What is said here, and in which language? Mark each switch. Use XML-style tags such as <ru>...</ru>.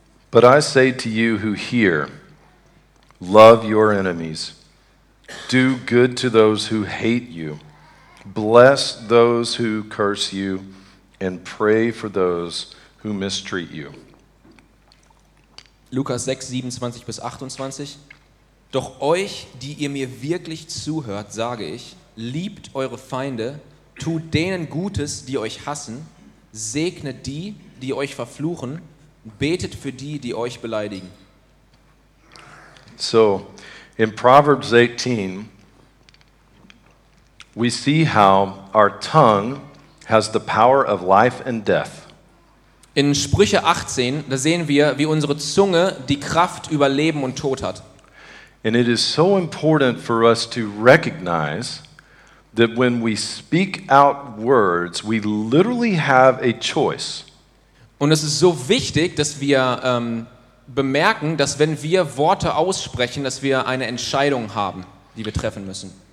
<en>But I say to you who hear, love your enemies, do good to those who hate you, bless those who curse you, and pray for those who mistreat you.</en> <de>Lukas 6, 27 bis 28. Doch euch, die ihr mir wirklich zuhört, sage ich, liebt eure Feinde, tut denen Gutes, die euch hassen, segnet die, die euch verfluchen, betet für die, die euch beleidigen.</de> <en>So, in Proverbs 18, we see how our tongue has the power of life and death.</en> <de>In Sprüche 18, da sehen wir, wie unsere Zunge die Kraft über Leben und Tod hat.</de> <en>And it is so important for us to recognize that when we speak out words, we literally have a choice.</en> <de>Und es ist so wichtig, dass wir bemerken, dass wenn wir Worte aussprechen, dass wir eine Entscheidung haben, die wir treffen müssen.</de>